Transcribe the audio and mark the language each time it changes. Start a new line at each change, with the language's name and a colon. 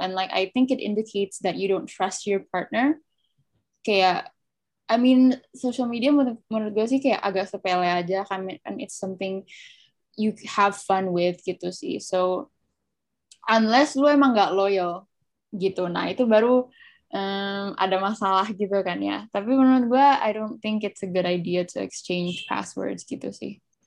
English: And like, I think it indicates that you don't trust your partner.
Indonesian: Kayak, I mean, social media menurut gue sih kayak agak sepele aja.
English: And it's something you have fun with
Indonesian: gitu sih.
English: So, unless
Indonesian: lu emang gak loyal gitu. Nah, itu baru ada masalah gitu kan ya. Tapi menurut gue,
English: I don't think it's a good idea to exchange passwords
Indonesian: gitu sih.